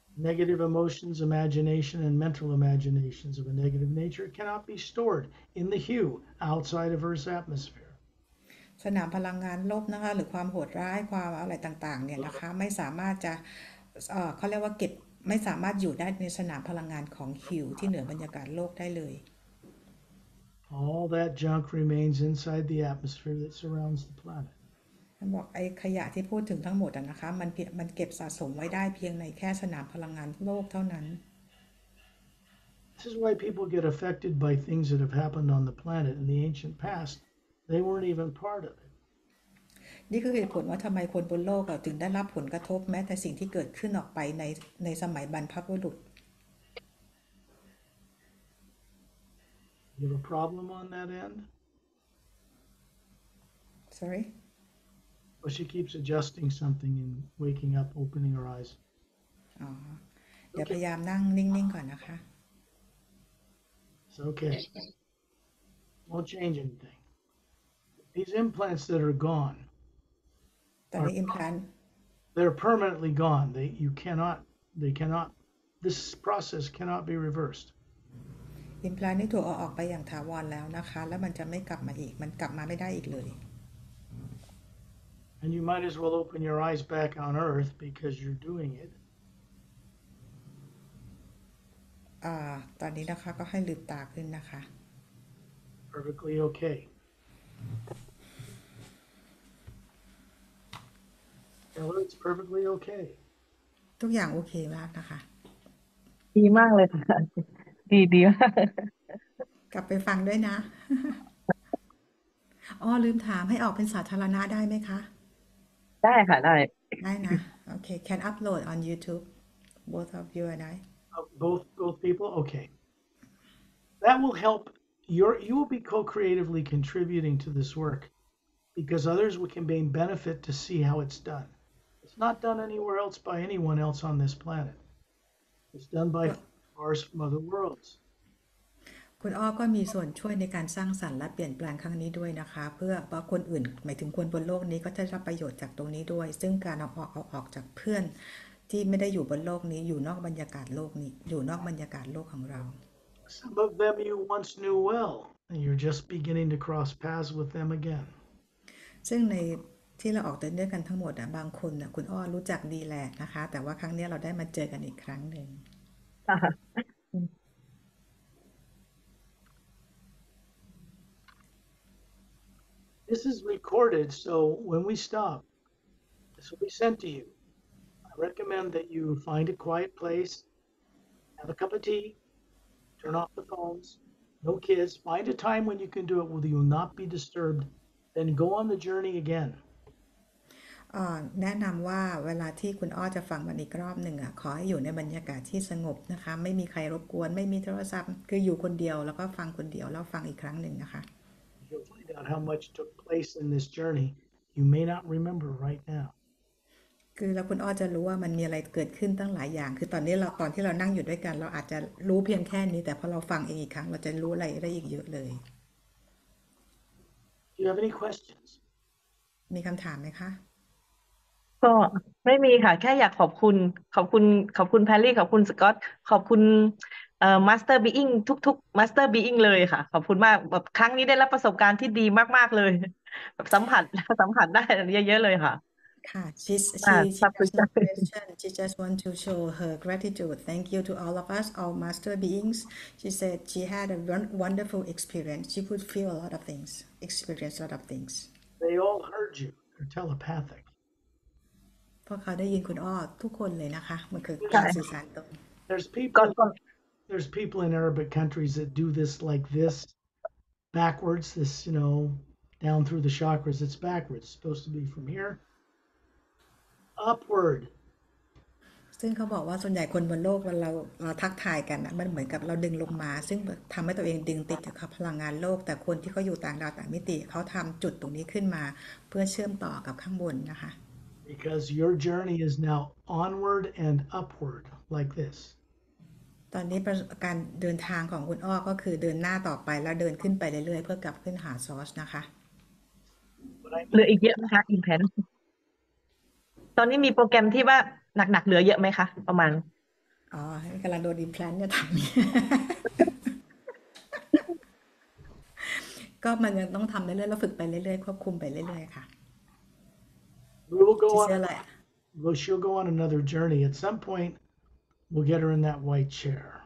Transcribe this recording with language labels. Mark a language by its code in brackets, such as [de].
[en] Negative emotions, imagination, and mental imaginations of a negative nature cannot be stored in the hue outside of Earth's atmosphere. [th] สนามพลังงานลบนะคะหรือความโหดร้ายความอะไรต่างๆเนี่ยนะคะไม่สามารถจะเขาเรียกว่าเก็บไม่สามารถอยู่ได้ในสนามพลังงานของฮิวที่เหนือบรรยากาศโลกได้เลย [en] All that junk remains inside the atmosphere that surrounds the planet. [th] มันบอกไอ้ขยะที่พูดถึงทั้งหมดอ่ะนะคะมันเก็บสะสมไว้ได้เพียงในแค่สนามพลังงานโลกเท่านั้น [en] This is why people get affected by things that have happened on the planet in the ancient past. They weren't even part of it. [th] นี่คือเหตุผลว่าทำไมคนบนโลกถึงได้รับผลกระทบแม้แต่สิ่งที่เกิดขึ้นออกไปในสมัยบรรพบุรุษ [en] You have a problem on that end? Sorry? Well, she keeps adjusting something and waking up, opening her eyes. [th] เดี๋ยวพยายามนั่งนิ่งๆก่อนนะคะ [en] It's okay. Won't change anything. These implants that are gone are implant. They're permanently gone. They cannot, this process cannot be reversed. [th] Implant นี้ถูกเอาออกไปอย่างถาวรแล้วนะคะแล้วมันจะไม่กลับมาอีกมันกลับมาไม่ได้อีกเลย [en] And you might as well open your eyes back on Earth because you're doing it. [th] ตอนนี้นะคะก็ให้ลืมตาขึ้นนะคะ [en] Perfectly okay. Ella, it's perfectly okay. [th] ทุกอย่างโอเคมากนะคะ ดีมากเลยค่ะดีดี กลับไปฟังด้วยนะอ๋อลืมถามให้ออกเป็นสาธารณะได้ไหมคะ ได้ค่ะได้ ได้นะโอเค [en] can upload on YouTube both of you and I both people okay that will help you will be co-creatively contributing to this work because others will can be benefit to see how it's done it's not done anywhere else by anyone else on this planet it's done by ours from other worlds [th] คุณอ้อก็มีส่วนช่วยในการสร้างสรรค์และเปลี่ยนแปลงครั้งนี้ด้วยนะคะเพื่อว่าคนอื่นหมายถึงคนบนโลกนี้ก็จะได้รับประโยชน์จากตรงนี้ด้วยซึ่งการเอาออกจากเพื่อนที่ไม่ได้อยู่บนโลกนี้อยู่นอกบรรยากาศโลกนี้อยู่นอกบรรยากาศโลกของเรา [en] Some of them you once knew well and you're just beginning to cross paths with them again [th] ซึ่งในที่เราออกเดินด้วยกันทั้งหมดนะบางคนนะคุณอ้อรู้จักดีแหละนะคะแต่ว่าครั้งนี้เราได้มาเจอกันอีกครั้งหนึ่ง [en] This is recorded, so when we stop, this will be sent to you. I recommend that you find a quiet place, have a cup of tea, turn off the phones, no kids, find a time when you can do it where you will not be disturbed, then go on the journey again. [th] แนะนำว่าเวลาที่คุณอ้อจะฟังมันอีกรอบหนึ่งอ่ะขอให้อยู่ในบรรยากาศที่สงบนะคะไม่มีใครรบกวนไม่มีโทรศัพท์คืออยู่คนเดียวแล้วก็ฟังคนเดียวแล้วฟังอีกครั้งหนึ่งนะคะ [en] Out how much took place in this journey, you may not remember right now. [th] คือแล้วคุณอ้อจะรู้ว่ามันมีอะไรเกิดขึ้นตั้งหลายอย่างคือตอนนี้เราตอนที่เรานั่งอยู่ด้วยกันเราอาจจะรู้เพียงแค่นี้แต่พอเราฟังเองอีกครั้งเราจะรู้อะไรได้อีกเยอะเลย [en] Do you have any questions? [th] มีคำถามไหมคะ ก็ไม่มีค่ะแค่อยากขอบคุณขอบคุณแพรรี่ขอบคุณสกอตขอบคุณมาสเตอร์บีอิงทุกมาสเตอร์บีอิงเลยค่ะขอบคุณมากแบบครั้งนี้ได้รับประสบการณ์ที่ดีมากๆเลยแบบสัมผัสได้เยอะๆเลยค่ะ ค่ะ [en] she's [th] อ่าขอบคุณ [en] just no question she just want to show her gratitude thank you to all of us all master beings she said she had a wonderful experience she could feel a lot of things experience a lot of things They all heard you. They're telepathic. [th] พวกเขาได้ยินคุณอ้อทุกคนเลยนะคะมันคือ ใช กา่ รสื่อสารตรง [en] there's people in Arabic countries that do this like this backwards this you know down through the chakras it's backwards it's supposed to be from here upward [th] ซึ่งเขาบอกว่าส่วนใหญ่คนบนโลกเวลาเราทักทายกันนะมันเหมือนกับเราดึงลงมาซึ่งทําให้ตัวเองดึงติดกับพลังงานโลกแต่คนที่เขาอยู่ต่างดาวต่างมิติเขาทําจุดตรงนี้ขึ้นมาเพื่อเชื่อมต่อกับข้างบนนะคะ [en] Because your journey is now onward and upward like this. [th] ตอนนี้การเดินทางของคุณอ้อก็คือเดินหน้าต่อไปแล้วเดินขึ้นไปเรื่อยๆเพื่อกลับขึ้นหาซอสนะคะ เหลืออีกเยอะไหมคะอินเทนตอนนี้มีโปรแกรมที่ว่าหนักๆเหลือเยอะไหมคะประมาณ อ๋อกำลังโดนอิมแพลนต์เนี่ยทำก็มันยังต้องทำเรื่อยๆแล้วฝึกไปเรื่อยๆควบคุมไปเรื่อยๆค่ะ [en] We will go [th] จะเสียอะไรอ่ะ [en] Well, she'll go on another journey. At some point, we'll get her in that white chair.